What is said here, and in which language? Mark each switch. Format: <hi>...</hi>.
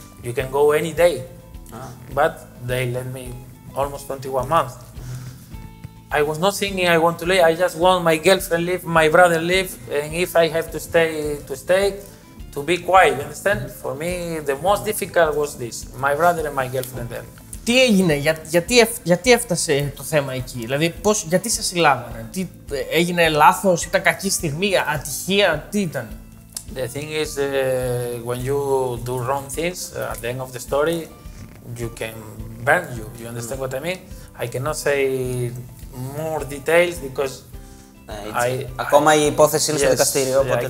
<en>You can go any day, but they let me almost 21 months. I was not thinking I want to leave. I just want my girlfriend leave, my brother leave, and if I have to stay, to stay, to be quiet, you understand? For me, the most difficult was this, my brother and my girlfriend there.</en> <el>Τι έγινε, γιατί έφτασε το θέμα εκεί, δηλαδή πώς, γιατί σας συλλάβανε, τι έγινε λάθος, ήταν κακή στιγμή, ατυχία, τι ήταν?</el> <en>The thing is, when you do wrong things, at the end of the story, you can burn you, you understand what I mean? I cannot say more details, because</en> <el>ακόμα η υπόθεση είναι στο δικαστήριο, οπότε...</el>